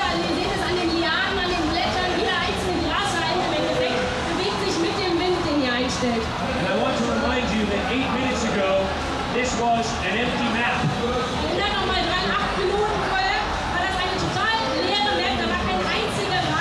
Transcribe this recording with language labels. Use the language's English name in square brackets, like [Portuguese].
[German] Ihr seht es an den Lianen, an den Blättern, jeder einzelne Grashalm im Endeffekt bewegt sich mit dem Wind, den ihr einstellt. [English] And I want to remind you that 8 minutes ago, this was an empty map. [German] Erinnert nochmal dran, 8 Minuten vorher war das eine total leere Map, da war kein einziger.